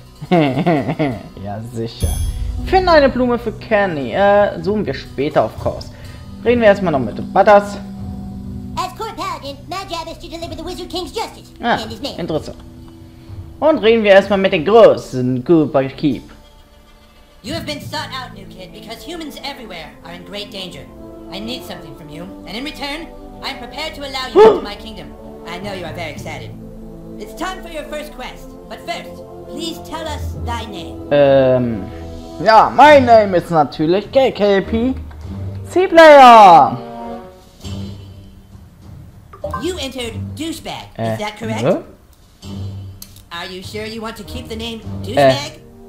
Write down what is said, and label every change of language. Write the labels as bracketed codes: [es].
[de] Ja, sicher. Finde eine Blume für Kenny. Zoomen wir später, [en] of course. [de] Reden wir erstmal noch mit Butters. Ah, interessant. Und reden wir erstmal mit den großen Koopa Keep. [en] You have been sought out, new kid, because humans everywhere are in great danger. I need something from you, and in return, I'm prepared to allow you into my kingdom. I know you are very excited. It's time for your first quest, but first, please tell us thy name. [de] Ja, mein Name ist natürlich KKP C-Player. [en] You entered douchebag, is that correct? [de] Ne? [en] Are you sure you want to keep the name douchebag?